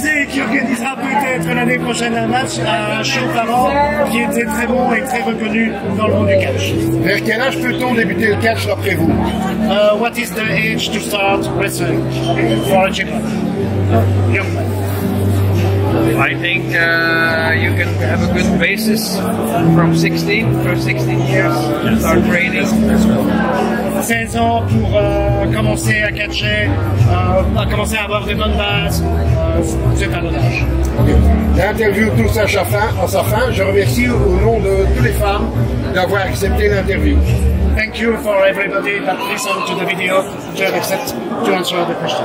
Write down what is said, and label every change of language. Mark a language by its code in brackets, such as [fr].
[fr] Qui organisera peut-être l'année prochaine un match à Chaux-Parent qui était très bon et très reconnu dans le monde du catch. Vers quel âge peut-on débuter le catch d'après vous? [en] What is the age to start wrestling for a Japan? Young man. I think you can have a good basis from 16 years to start training. [fr] 16 ans pour commencer à catcher, à commencer à avoir des bonnes bases, c'est un bon âge. L'interview touche à sa fin. Je remercie au nom de toutes les femmes d'avoir accepté l'interview. [en] Thank you for everybody that listened to the video to have accepted to answer the question.